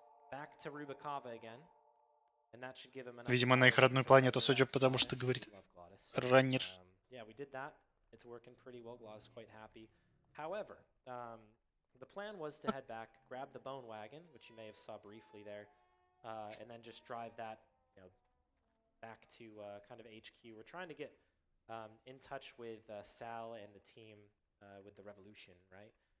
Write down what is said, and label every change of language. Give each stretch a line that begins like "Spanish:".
English: Back to Rubikova again, and that should give him.
Russian: Видимо, на их родную планету, судя по тому, что говорит Раннер.
English: Yeah, we did that. It's working pretty well. Glottis quite happy. However, the plan was to head back, grab the bone wagon, which you may have saw briefly there, and then just drive that, you know, back to kind of HQ. We're trying to get in touch with Sal and the team with the Revolution, right?